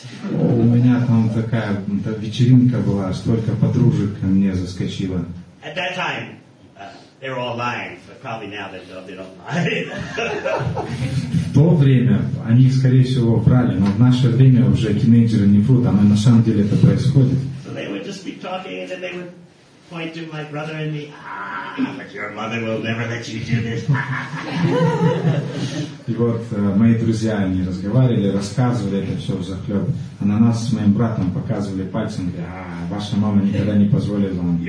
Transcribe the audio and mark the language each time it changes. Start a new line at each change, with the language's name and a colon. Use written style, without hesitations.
Russian: У меня там такая вечеринка была, столько подружек ко мне заскочило.
English: At that time, they were all lying, but probably now they don't lie.
Russian: В то время они, скорее всего, врали, но в наше время уже тинейджеры не врут, а на самом деле это происходит.
English: So they would just be talking, and then they would point to my brother and me. But your mother will never let you do this.
Russian: И вот мои друзья, они разговаривали, рассказывали это все взахлеб. А на нас с моим братом показывали пальцем, говорят, ваша мама никогда не позволит вам